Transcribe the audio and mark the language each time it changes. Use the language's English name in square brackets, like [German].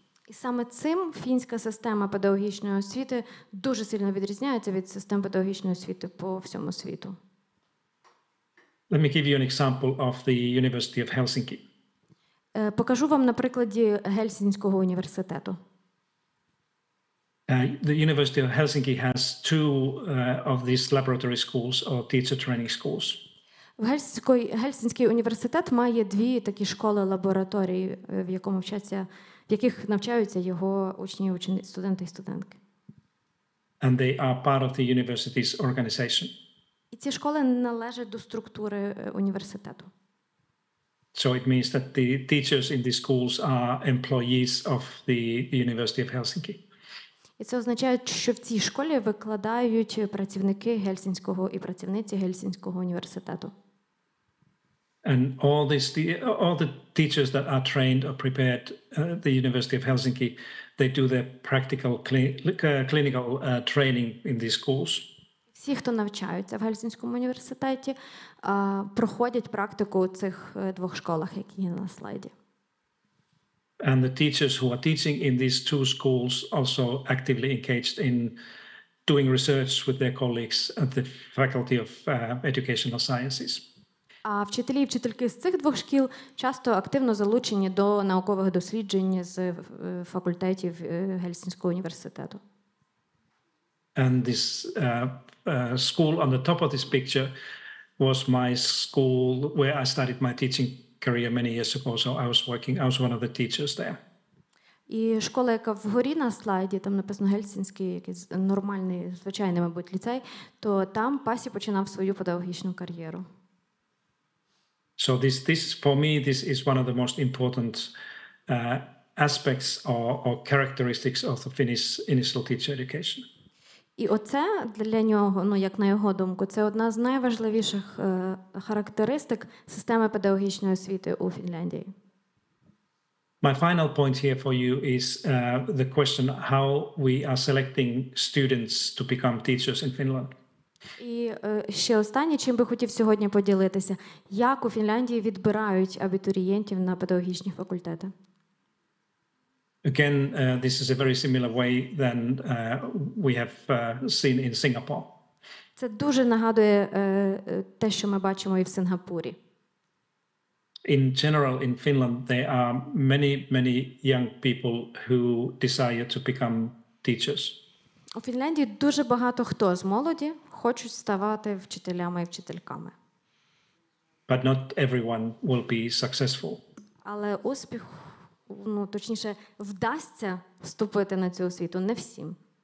[Ukrainian] І саме цим фінська система педагогічної освіти дуже сильно відрізняється від систем педагогічної освіти по всьому світу. [English] Let me give you an example of the University of Helsinki. [Ukrainian] Покажу вам на прикладі Гельсінського університету. [English] The University of Helsinki has two of these laboratory schools or teacher training schools. [Ukrainian] Гельсінський університет має дві такі школи лабораторії, в якому вчаться, в яких навчаються його учні, студенти і студентки. [English] And they are part of the university's organization. [Ukrainian] І ці школи належать до структури університету. [English] So it means that the teachers in these schools are employees of the University of Helsinki. [Ukrainian] І це означає, що в цій школі викладають працівники Гельсінського і працівниці Гельсінського університету. [English] And all the teachers that are trained or prepared at the University of Helsinki, they do their practical clinical training in these schools. [Ukrainian] Всі, хто навчаються в Гельсінському університеті, проходять практику у цих двох школах, які є на слайді. [English] And the teachers who are teaching in these two schools also actively engaged in doing research with their colleagues at the Faculty of Educational Sciences. [Ukrainian] А вчителі і вчительки з цих двох шкіл часто активно залучені до наукових досліджень з факультетів Гельсінського університету. [English] And this school on the top of this picture was my school where I started my teaching career many years ago. So I was one of the teachers there. [Ukrainian] І школа, яка вгорі на слайді, там написано Гельсінський, якийсь нормальний, звичайний, мабуть, ліцей, то там Пасі починав свою педагогічну кар'єру. [English] So this for me this is one of the most important aspects or characteristics of the Finnish initial teacher education. [Ukrainian] І оце для нього, ну, як на його думку, це одна з найважливіших характеристик системи педагогічної освіти у Фінляндії. [English] My final point here for you is the question how we are selecting students to become teachers in Finland. [Ukrainian] І ще останнє, чим би хотів сьогодні поділитися, як у Фінляндії відбирають абітурієнтів на педагогічні факультети? [English] Again, this is a very similar way than we have seen in Singapore. [Ukrainian] Це дуже нагадує те, що ми бачимо і в Сингапурі. [English] In general, in Finland, there are many, many young people who desire to become teachers. [Ukrainian] У Фінляндії дуже багато хто з молоді хочуть ставати вчителями і вчительками. [English] But not everyone will be successful. [Ukrainian] Але успіх, ну, точніше, вдасться вступити на цю освіту не всім.